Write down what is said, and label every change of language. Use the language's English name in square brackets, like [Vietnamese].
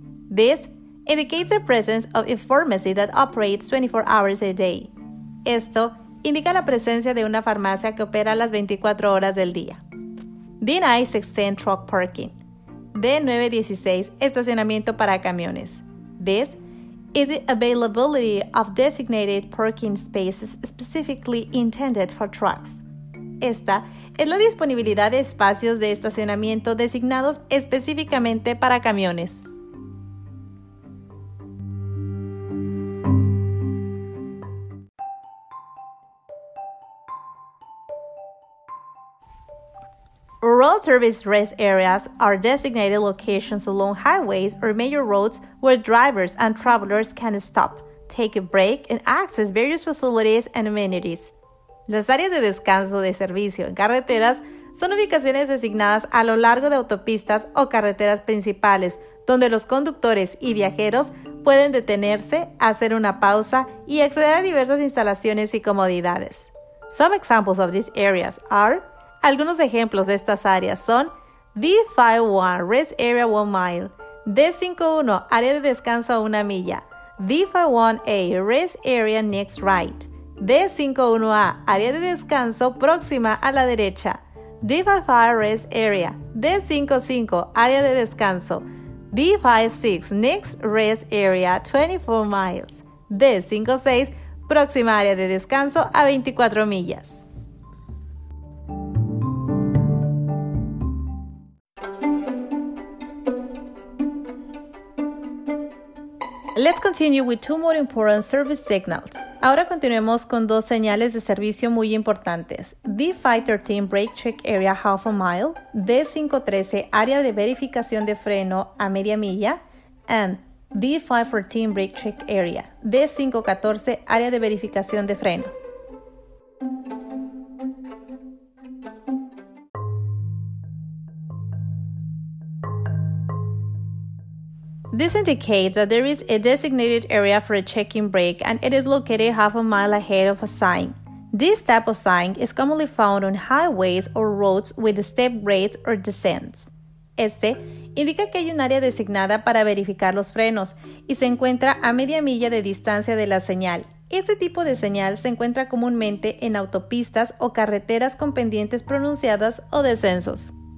[English] This indicates the presence of a pharmacy that operates 24 hours a day. [Spanish] Esto indica la presencia de una farmacia que opera las 24 horas del día. B916 [English] Truck Parking. [Spanish] B916 Estacionamiento para camiones. [English] This is the availability of designated parking spaces specifically intended for trucks. [Spanish] Esta es la disponibilidad de espacios de estacionamiento designados específicamente para camiones. [English] Road service rest areas are designated locations along highways or major roads where drivers and travelers can stop, take a break, and access various facilities and amenities. [Spanish] Las áreas de descanso de servicio en carreteras son ubicaciones designadas a lo largo de autopistas o carreteras principales donde los conductores y viajeros pueden detenerse, hacer una pausa y acceder a diversas instalaciones y comodidades. [English] Some examples of these areas are. [Spanish] Algunos ejemplos de estas áreas son B51 [English] Rest Area 1 Mile, [Spanish] D51 Área de Descanso a 1 Milla, B51A [English] Rest Area Next Right, [Spanish] D51A Área de Descanso Próxima a la Derecha, D55 [English] Rest Area, [Spanish] D55 Área de Descanso, B56 [English] Next Rest Area 24 Miles, [Spanish] D56 Próxima Área de Descanso a 24 Millas. [English] Let's continue with two more important service signals. [Spanish] Ahora continuemos con dos señales de servicio muy importantes. D513 [English] Brake Check Area Half a Mile, [Spanish] D513 Área de Verificación de Freno a Media Milla, [English] and [Spanish] D514 [English] Brake Check Area, [Spanish] D514 Área de Verificación de Freno. [English] This indicates that there is a designated area for a check-in brake and it is located half a mile ahead of a sign. This type of sign is commonly found on highways or roads with step grades or descents. [Spanish] Este indica que hay un área designada para verificar los frenos y se encuentra a media milla de distancia de la señal. Este tipo de señal se encuentra comúnmente en autopistas o carreteras con pendientes pronunciadas o descensos.